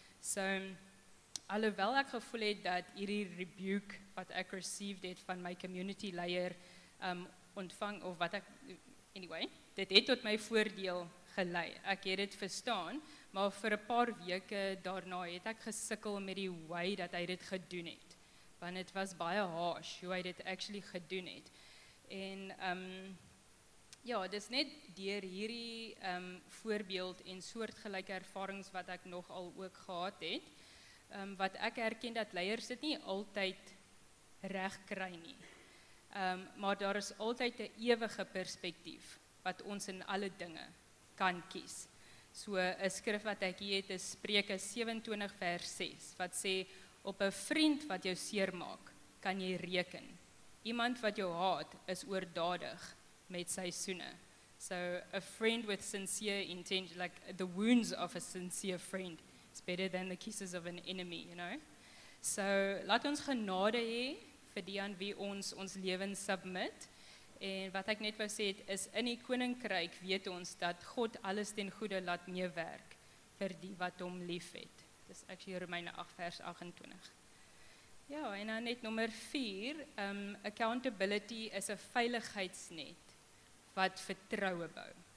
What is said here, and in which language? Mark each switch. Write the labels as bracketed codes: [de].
[af] So, alhoewel ek gevoel het dat hierdie rebuke wat ek received het van my community leier ontvang, of wat ek, anyway, dit het tot my voordeel gelei. Ek het dit verstaan, maar vir 'n paar weke daarna het ek gesukkel met die way dat hy dit gedoen het. Want het was baie harsh hoe hy dit actually gedoen het. En ja, dis net deur hierdie voorbeeld en soortgelyke ervarings wat ek nogal ook gehad het, wat ek herken dat leiers dit nie altyd reg kry nie. Maar daar is altyd 'n ewige perspektief wat ons in alle dinge kan kies. So 'n skrif wat ek hier het is Spreuke 27 vers 6 wat sê, op 'n vriend wat jou seermaak, kan jy reken. Iemand wat jou haat, is oordadig met sy soene. [en] So, a friend with sincere intention, like the wounds of a sincere friend, is better than the kisses of an enemy, you know? [af] So, laat ons genade hê vir die aan wie ons ons lewens submit. En wat ek net wou sê het, is in die koninkryk weet ons dat God alles ten goede laat meewerk vir die wat hom lief het. Dis actually Romeine 8 vers 28. Ja, en dan net nummer 4, accountability is 'n veiligheidsnet wat vertroue bou.